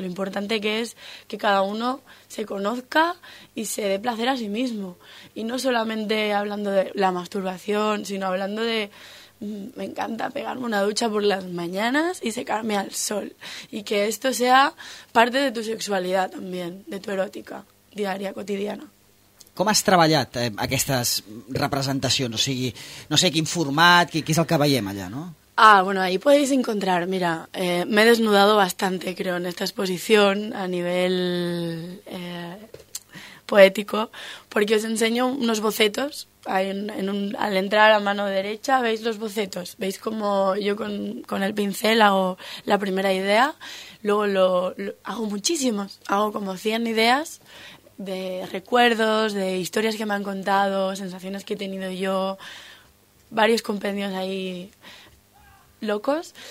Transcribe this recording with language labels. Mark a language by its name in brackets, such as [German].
[Spanish] Lo importante que es que cada uno se conozca y se dé placer a sí mismo. Y no solamente hablando de la masturbación, sino hablando de me encanta pegarme una ducha por las mañanas y secarme al sol. Y que esto sea parte de tu sexualidad también, de tu erótica diaria, cotidiana. [Catalan] Com has treballat aquestes representacions? O sigui, no sé quin format, què és el que veiem allà, no? [Spanish] Ah, bueno, ahí podéis encontrar, mira, me he desnudado bastante, creo, en esta exposición a nivel poético, porque os enseño unos bocetos. Al entrar a la mano derecha veis los bocetos, veis como yo con el pincel hago la primera idea, luego lo hago muchísimos, hago como 100 ideas, de recuerdos, de historias que me han contado, sensaciones que he tenido yo, varios compendios ahí locos.